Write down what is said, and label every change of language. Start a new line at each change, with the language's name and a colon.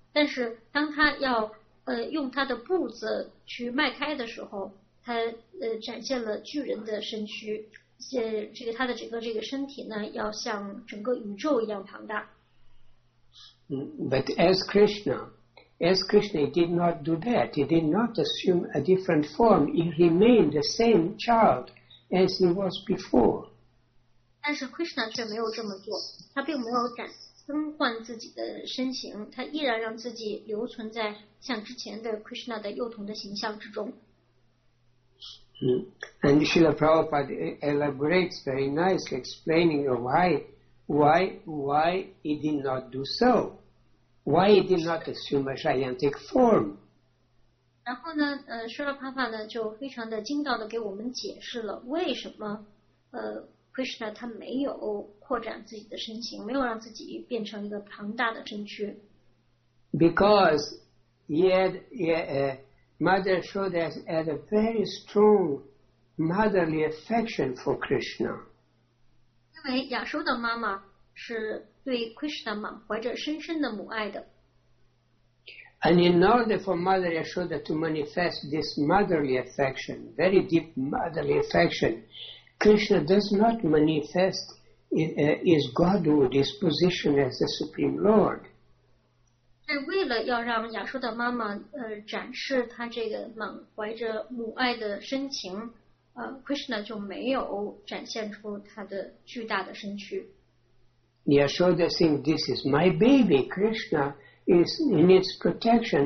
Chinese: 但是当他要用他的步子去迈开的时候，他展现了巨人的身躯。他的整个这个身体呢，要像整个宇宙一样庞大。
English: But as Krishna. As Krishna did not do that, he did not assume a different form. He remained the same child as he was before.
Chinese: 但是 Krishna 却没有这么做，他并没有更换自己的身形，他依然让自己留存在像之前的 Krishna 的幼童的形象之中。
English: And Srila Prabhupada elaborates very nicely, explaining why he did not do so. Why he did not assume a gigantic form?
Chinese: 然后呢，舍勒帕帕呢就非常的精到的给我们解释了为什么Krishna 他没有扩展自己的身形，没有让自己变成一个庞大的身躯。
English: Because Mother Yashoda had a very strong motherly affection for Krishna.
Chinese: 因为亚修的妈妈是。对 Krishna 满怀着深深的母爱的。
English: And in order for Mother Yashoda to manifest this motherly affection, very deep motherly affection, Krishna does not manifest his godhood, his position as the Supreme Lord.
Chinese: 为了要让亚修的妈妈展示她这个满怀着母爱的深情，Krishna 就没有展现出他的巨大的身躯。
English: Yashoda thinks this is my baby. Krishna is in its protection.